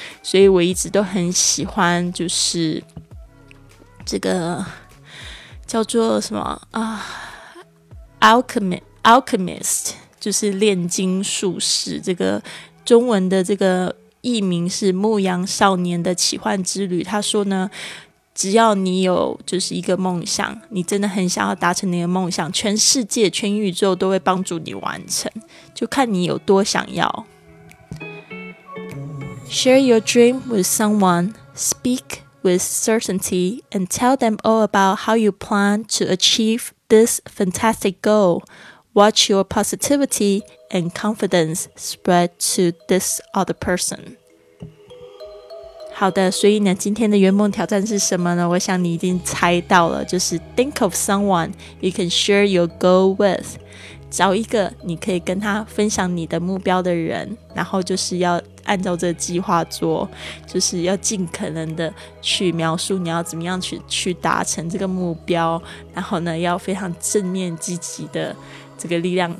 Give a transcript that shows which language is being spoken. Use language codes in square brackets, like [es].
[zh] 所以我一直都很喜欢就是这个叫做什么Alchemist 就是炼金术士，这个中文的这个译名是牧羊少年的奇幻之旅。他说呢只要你有就是一个梦想，你真的很想要达成你的梦想，全世界全宇宙都会帮助你完成，就看你有多想要。 [en] Share your dream with someone, speak with certainty, and tell them all about how you plan to achieve this fantastic goal. Watch your positivity and confidence spread to this other person. [zh] 好的，所以呢今天的圆梦挑战是什么呢？我想你已经猜到了，就是 [en] Think of someone you can share your goal with， [zh] 找一个你可以跟他分享你的目标的人，然后就是要按照这个计划做，就是要尽可能的去描述你要怎么样去达成这个目标，然后呢要非常正面积极的这个力量。